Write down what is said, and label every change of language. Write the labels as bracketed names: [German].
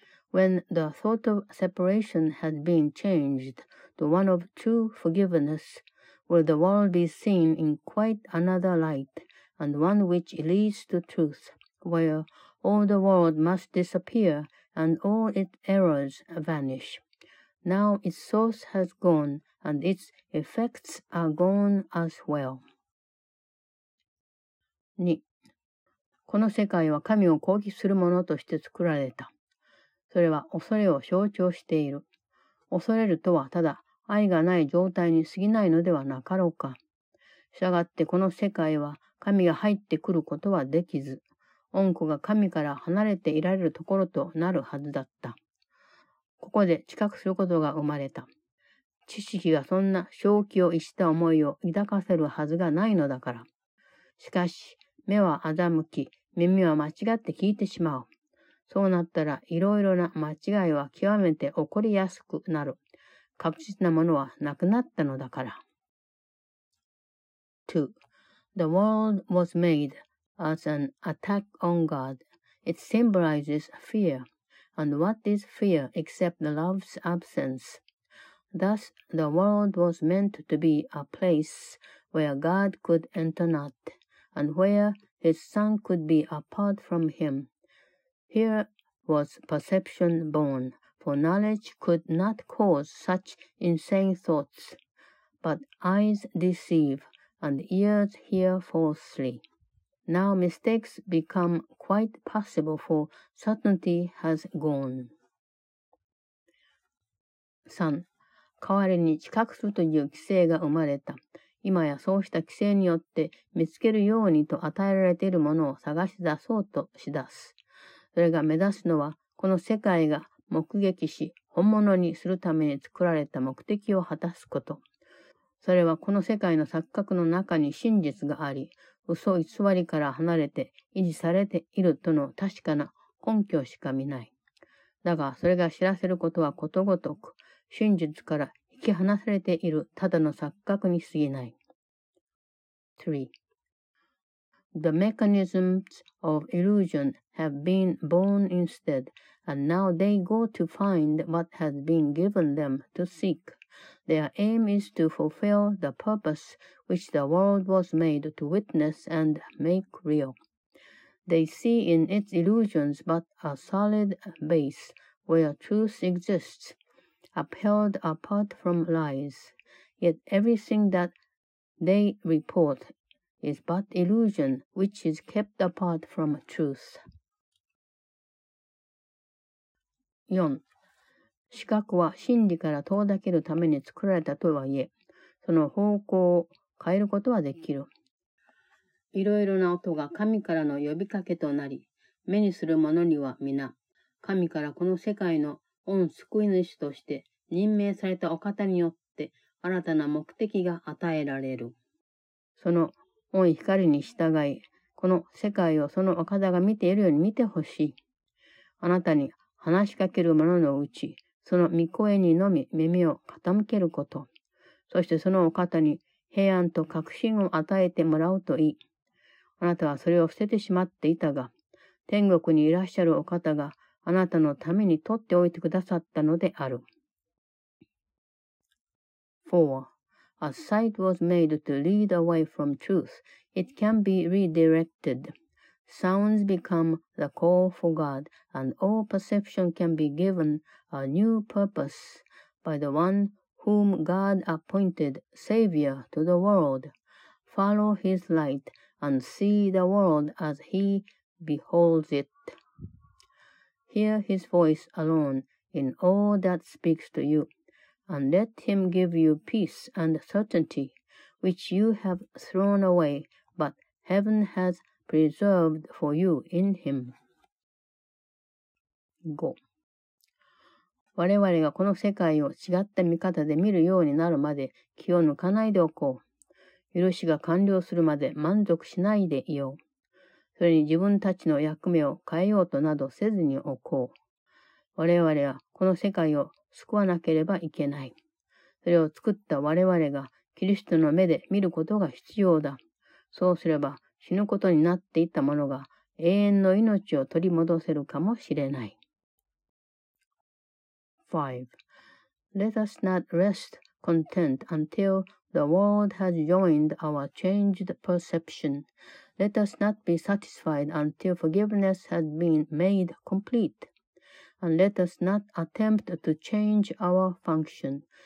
[English] When the thought of separation has been changed to one of true forgiveness, will the world be seen in quite another light, and one which leads to truth, where... All the world must disappear and all its errors vanish. Now its source has gone and its effects are gone as well. 2. [Japanese] この世界は神を攻撃するものとして作られた。それは恐れを象徴している。恐れるとはただ愛がない状態に過ぎないのではなかろうか。したがってこの世界は神が入ってくることはできず。恩子が神から離れていられるところとなるはずだった。ここで知覚することが生まれた。知識がそんな正気を逸した思いを抱かせるはずがないのだから。しかし、目は欺き、耳は間違って聞いてしまう。そうなったらいろいろな間違いは極めて起こりやすくなる。確実なものはなくなったのだから。 [English] 2. The world was made. As an attack on God, it symbolizes fear, and what is fear except the love's absence? Thus, the world was meant to be a place where God could enter not, and where his son could be apart from him. Here was perception born, for knowledge could not cause such insane thoughts, but eyes deceive, and ears hear falsely. Now mistakes become quite possible for certainty has gone. 3. [Japanese] 代わりに知覚するという規制が生まれた。今やそうした規制によって見つけるようにと与えられているものを探し出そうとしだす。それが目指すのはこの世界が目撃し本物にするために作られた目的を果たすこと。それはこの世界の錯覚の中に真実があり、嘘偽りから離れて維持されているとの確かな根拠しか見ない。だがそれが知らせることはことごとく、真実から引き離されているただの錯覚に過ぎない。 [English] 3. The mechanisms of illusion have been born instead, and now they go to find what has been given them to seek. Their aim is to fulfill the purpose which the world was made to witness and make real. They see in its illusions but a solid base where truth exists, upheld apart from lies. Yet everything that they report is but illusion which is kept apart from truth. 4. [Japanese] 視覚は真理から遠ざけるために作られたとはいえ、その方向を変えることはできる。いろいろな音が神からの呼びかけとなり、目にする者には皆、神からこの世界の御救い主として任命されたお方によって新たな目的が与えられる。その御光に従い、この世界をそのお方が見ているように見てほしい。あなたに話しかける者のうち、その御声にのみ耳を傾けること。そしてそのお方に平安と確信を与えてもらうといい。あなたはそれを捨ててしまっていたが、天国にいらっしゃるお方があなたのために取っておいてくださったのである。 [English] 4. A sight was made to lead away from truth. It can be redirected. Sounds become the call for God, and all perception can be given a new purpose by the one whom God appointed Savior to the world. Follow his light and see the world as he beholds it. Hear his voice alone in all that speaks to you, and let him give you peace and certainty, which you have thrown away, but heaven has preserved for you in him. 5. [Japanese] 我々がこの世界を違った見方で見るようになるまで気を抜かないでおこう。許しが完了するまで満足しないでいよう。それに自分たちの役目を変えようとなどせずにおこう。我々はこの世界を救わなければいけない。それを作った我々がキリストの目で見ることが必要だ。そうすれば死ぬことになっていたものが永遠の命を取り戻せるかもしれない。 [English] 5. Let us not rest content until the world has joined our changed perception. Let us not be satisfied until forgiveness has been made complete. And let us not attempt to change our function.